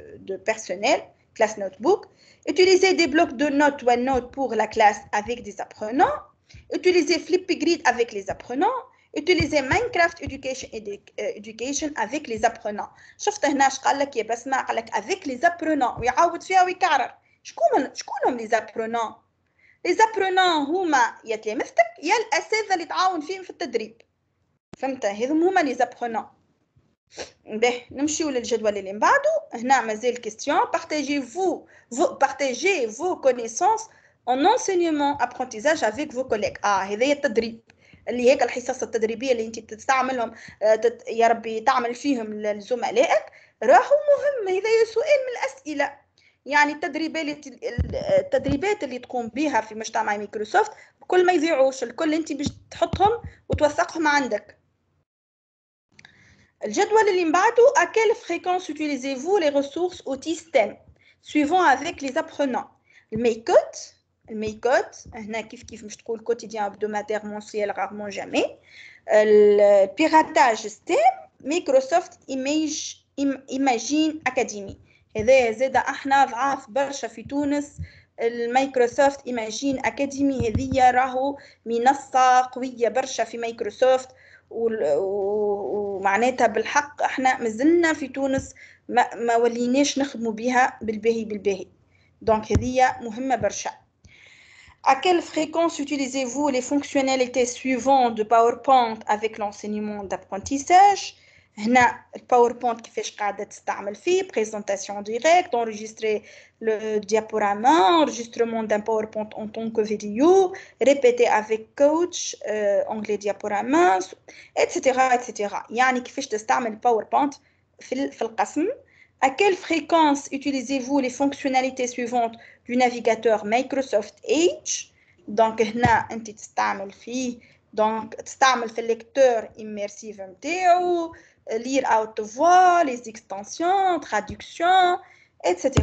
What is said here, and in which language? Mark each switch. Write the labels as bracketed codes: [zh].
[fr] de personnel كلاس نوتبوك, utiliser des blocs de notes OneNote pour la classe avec des apprenants, utiliser Flipgrid avec les apprenants, utiliser Minecraft education avec les apprenants. [ar] شفت هنا اش قال لك يا بسمة, قال لك [fr] avec les apprenants [ar] ويعاود فيها ويكرر. شكون هم [fr] les apprenants؟ [ar] les apprenants هما يا تلامذتك يا الأساتذة اللي تعاون فيهم في التدريب, فهمت؟ هذم هما les apprenants. باه نمشيو للجدول اللي بعده. هنا مازال [fr] question, partagez vos connaissances en enseignement apprentissage avec vos collègues. [ar] هذا هي التدريب اللي هيك الحصص التدريبيه اللي انت تستعملهم يا ربي تعمل فيهم لزملائك, راهو مهم. هذا سؤال من الاسئله, يعني التدريبات اللي تقوم بها في مجتمع مايكروسوفت كل ما يضيعوش الكل انت باش تحطهم وتوثقهم عندك. الجدول اللي بعده, [fr] à quelle fréquence utilisez-vous les ressources ou systèmes suivant avec les apprenants. [ar] الميكوت هنا كيف مش تقول كوتيديان هبدوماتير مونسيال غارمون جامي. البيراتاج ستيم مايكروسوفت ايماجين اكاديمي, هذا زاد احنا ضعاف برشا في تونس. المايكروسوفت ايماجين اكاديمي هذه راهو منصه قويه برشا في مايكروسوفت, ومعناتها بالحق احنا مازلنا في تونس ما وليناش نخدموا بها بالباهي. دونك هذه مهمه برشا. [fr] À quelle fréquence utilisez-vous les fonctionnalités suivantes de PowerPoint avec l'enseignement d'apprentissage? هنا PowerPoint qui fait [ar] قاعدة تستعمل فيه, [fr] présentation directe, enregistrer le diaporama, enregistrement d'un PowerPoint en tant que vidéo, répéter avec coach, anglais diaporama, etc. etc. [ar] يعني كيفاش تستعمل PowerPoint في القسم. [fr] À quelle fréquence utilisez-vous les fonctionnalités suivantes du navigateur Microsoft Edge? Donc, là, tu utilises fait, donc tu utilises le lecteur immersif MTO, lire à haute voix, les extensions, traduction, etc.